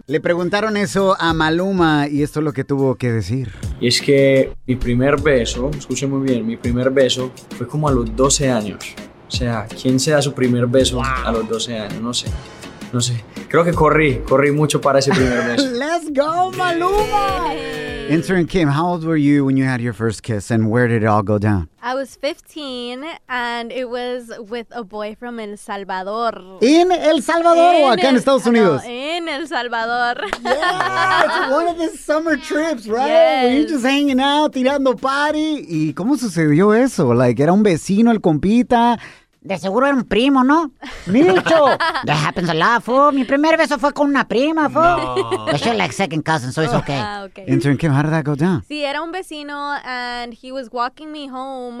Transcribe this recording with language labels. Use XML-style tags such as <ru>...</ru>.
<es>Le preguntaron eso a Maluma y esto es lo que tuvo que decir. Y es que mi primer beso, escuchen muy bien, mi primer beso fue como a los 12 años. O sea, ¿quién se da su primer beso a los 12 años? No sé. Creo que corrí mucho para ese primer beso.</es> <en>¡Let's go, Maluma! Yeah. Intern Kim, how old were you when you had your first kiss and where did it all go down? I was 15 and it was with a boy from El Salvador. ¿In</en> <es>El Salvador o acá en Estados Unidos?</es> <en>No, in El Salvador. Yeah, it's one of the summer trips, right? Yes. Were you just hanging out,</en> <es>tirando party? ¿Y cómo sucedió eso?</es> <en>Like,</en> <es>¿era un vecino el compita? De seguro era un primo, ¿no? ¡Micho!</es> <en>That happens a lot, fool.</en> <es>Mi primer beso fue con una prima,</es> <en>fool.</en> <es>No.</es> <en>She's like second cousin, so it's okay. Okay. Intern Kim, how did that go down?</en> <es>Sí, era un vecino,</es> <en>and he was walking me home.</en>